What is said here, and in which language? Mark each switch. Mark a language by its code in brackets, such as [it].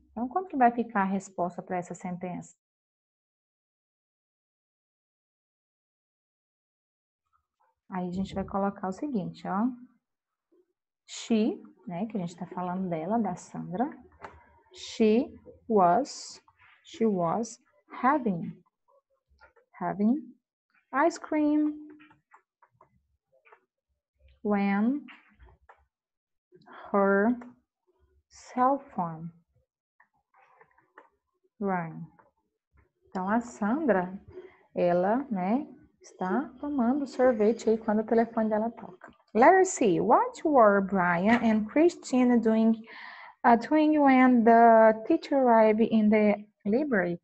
[pt] Então, quanto que vai ficar a resposta para essa sentença? Aí a gente vai colocar o seguinte, ó. She, né, que a gente está falando dela, da Sandra. [en] She was having ice cream when her cell phone rang. [pt] Então a Sandra, ela, né, está tomando sorvete aí quando o telefone dela toca. [en] Letter C. What were Brian and Christine doing when the teacher arrived in the library?